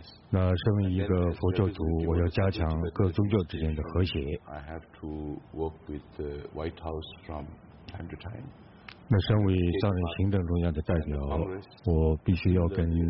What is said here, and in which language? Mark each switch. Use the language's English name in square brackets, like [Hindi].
[Chinese] 那身为一个佛教徒，我要加强各宗教之间的和谐。 [English] I have to work with the White House from time to time. [Chinese] 那身为藏人行政中央的代表，我必须要跟。